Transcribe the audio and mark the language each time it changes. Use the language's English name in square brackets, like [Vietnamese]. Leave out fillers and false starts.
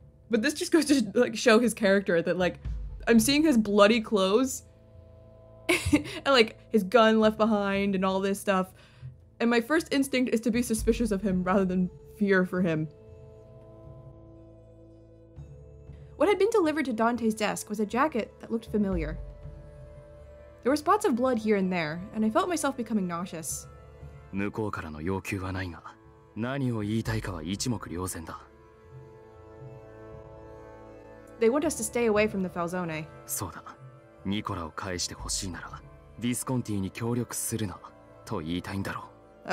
[English] But this just goes to like show his character that like I'm seeing his bloody clothes and like his gun left behind and all this stuff. And my first instinct is to be suspicious of him rather than fear for him. What had been delivered to Dante's desk was a jacket that looked familiar. There were spots of blood here and there, and I felt myself becoming nauseous. [Japanese] 向こうからの要求はないが、何を言いたいかは一目瞭然だ。 [English] They want us to stay away from the Falzone. [Japanese] そうだ。ニコラを返して欲しいなら、ヴィスコンティに協力するなと言いたいんだろう。